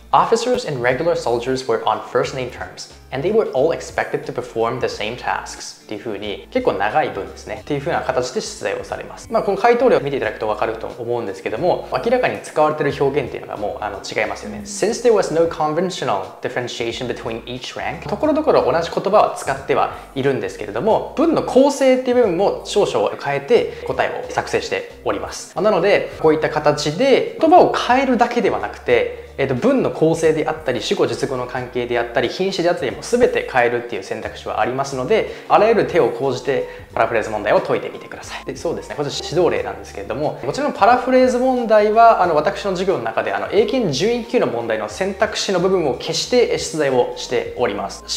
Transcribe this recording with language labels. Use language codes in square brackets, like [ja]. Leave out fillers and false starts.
[en] Officers and regular soldiers were on first name terms, and they were all expected to perform the same tasks. [ja] っていう風に結構長い文ですね、っていう風な形で出題をされます。まあ、この回答例を見ていただくと分かると思うんですけども、明らかに使われてる表現っていうのがもう違いますよね。 [en] Since there was no conventional differentiation between each rank. [ja] ところどころ同じ言葉は使ってはいるんですけれども、文の構成っていう部分も少々変えて答えを作成しております。なのでこういった形で言葉を変えるだけではなくて、文の構成であったり主語述語の関係であったり品詞であったりも全て変えるっていう選択肢はありますので、あらゆる手を講じてパラフレーズ問題を解いてみてください。でそうですね、こちら指導例なんですけれども、もちろんパラフレーズ問題は私の授業の中で英検準1級の問題の選択肢の部分を消して出題をしております。